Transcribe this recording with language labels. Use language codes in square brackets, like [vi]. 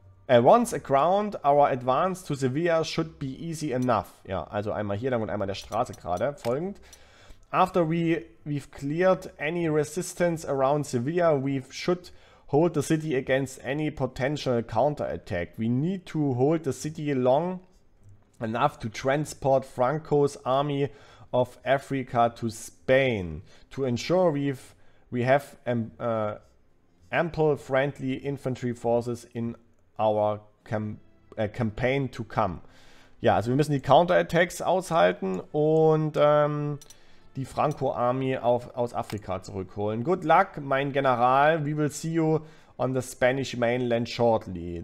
[en] Once aground, our advance to Sevilla should be easy enough. [de] Ja, also einmal hier lang und einmal der Straße gerade folgend. [en] After we've cleared any resistance around Sevilla, we should hold the city against any potential counterattack. We need to hold the city long enough to transport Franco's army of Africa to Spain. To ensure we have ample friendly infantry forces in our campaign to come. [de] Ja, also wir müssen die Counterattacks aushalten und die Franco-Army aus Afrika zurückholen. [en] Good luck, mein General. We will see you on the Spanish mainland shortly.